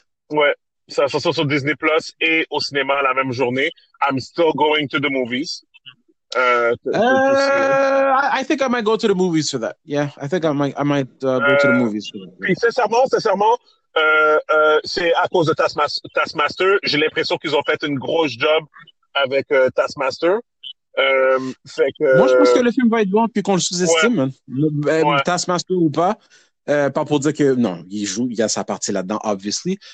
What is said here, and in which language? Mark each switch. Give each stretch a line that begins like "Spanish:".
French: Ouais, ça va sortir sur Disney Plus et au cinéma la même journée.
English: I'm still going to the movies. I think I might go to the movies for that. Yeah, I think I might go to the movies for that.
French: Puis sincèrement, c'est à cause de Taskmaster. J'ai l'impression qu'ils ont fait une grosse job avec Taskmaster. Moi, je pense que le film va être bon puis qu'on le sous-estime. Ouais. Taskmaster ou pas. Pas pour dire que non, il y a sa partie là-dedans, obviously.